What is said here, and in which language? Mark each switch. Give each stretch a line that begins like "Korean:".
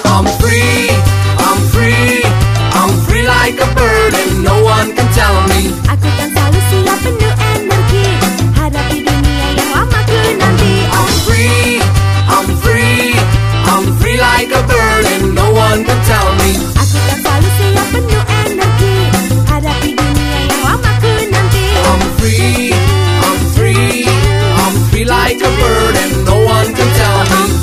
English: I'm free, I'm free, I'm free like a bird and no one can tell me.
Indonesian: Aku kan selalu siap penuh energi, hadapi dunia yang lama ku nanti.
English: I'm free, I'm free, I'm free like a bird and no one can tell me.
Indonesian: Aku kan selalu siap penuh energi, hadapi dunia yang lama ku nanti.
English: I'm free, I'm free, I'm free like a bird and no one can tell me.